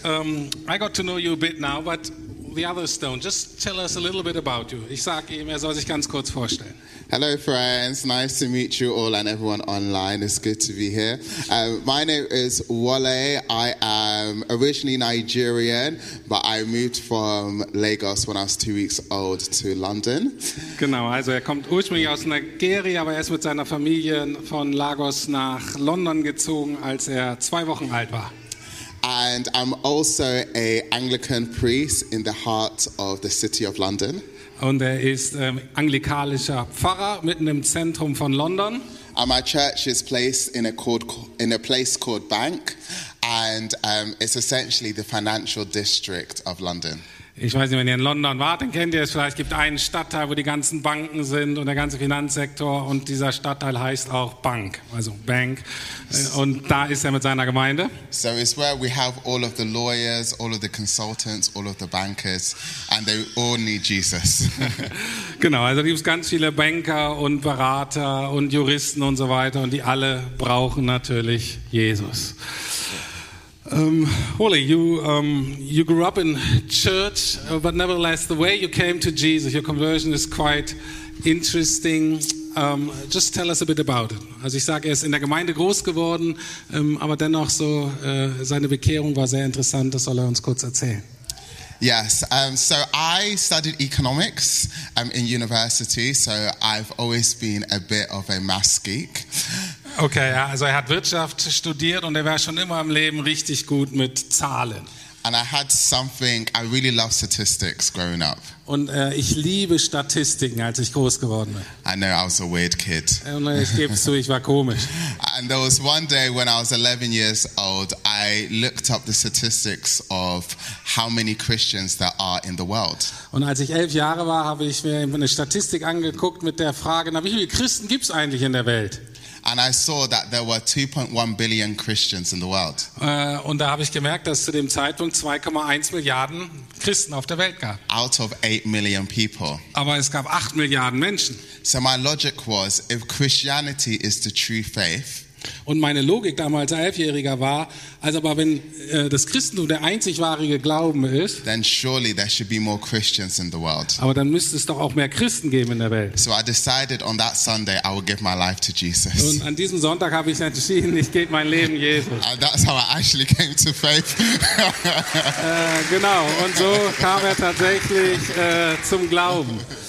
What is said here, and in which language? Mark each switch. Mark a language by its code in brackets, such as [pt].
[en] I got to know you a bit now, but the others don't. Just tell us a little bit about you. [de] Ich sag ihm, er soll sich ganz kurz vorstellen. [en] Hello, friends. Nice to meet you all and everyone online. It's good to be here. My name is Wole. I am originally Nigerian, but I moved from Lagos when I was 2 weeks old to London. [de] Genau, also er kommt ursprünglich aus Nigeria, aber er ist mit seiner Familie von Lagos nach London gezogen, als er 2 Wochen alt war. [en] And I'm also a Anglican priest in the heart of the city of London. [de] Und er ist anglikanischer Pfarrer mitten im Zentrum von London. [en] And my church is placed in a place called Bank, and it's essentially the financial district of London. [de] Ich weiß nicht, wenn ihr in London wart, dann kennt ihr es vielleicht. Es gibt einen Stadtteil, wo die ganzen Banken sind und der ganze Finanzsektor. Und dieser Stadtteil heißt auch Bank, also Bank. Und da ist er mit seiner Gemeinde. [en] So it's where we have all of the lawyers, all of the consultants, all of the bankers. And they all need Jesus. [de] Genau, also gibt es ganz viele Banker und Berater und Juristen und so weiter. Und die alle brauchen natürlich Jesus. [en] Wole, you grew up in church, but nevertheless, the way you came to Jesus, your conversion is quite interesting. Just tell us a bit about it. [de] Also ich sage, er ist in der Gemeinde groß geworden, aber dennoch so, seine Bekehrung war sehr interessant, das soll er uns kurz erzählen. [en] Yes, so I studied economics in university, so I've always been a bit of a maths geek. [de] Okay, also er hat Wirtschaft studiert und er war schon immer im Leben richtig gut mit Zahlen. [en] And I had something, I really loved statistics growing up. [de] Und ich liebe Statistiken, als ich groß geworden bin. [en] I know, I was a weird kid. [de] Und ich gebe zu, ich war komisch. [en] And there was one day when I was 11 years old, I looked up the statistics of how many Christians there are in the world. [de] Und als ich 11 Jahre war, habe ich mir eine Statistik angeguckt mit der Frage, na, wie viele Christen gibt es eigentlich in der Welt? [en] And I saw that there were 2.1 billion Christians in the world. [de] Und da habe ich gemerkt, dass zu dem Zeitpunkt 2,1 Milliarden Christen auf der Welt gab. [en] Out of 8 million people. [de] Aber es gab 8 Milliarden Menschen. [en] So my logic was, if Christianity is the true faith. [de] Und meine Logik damals als Elfjähriger war, also aber wenn das Christentum der einzig wahre Glauben ist, [en] then surely there should be more Christians in the world. [de] Aber dann müsste es doch auch mehr Christen geben in der Welt. [en] So I decided on that Sunday I would give my life to Jesus. [de] Und an diesem Sonntag habe ich entschieden, ich gebe mein Leben Jesus. [en] And that's how I actually came to faith. [de] Genau, und so kam er tatsächlich zum Glauben.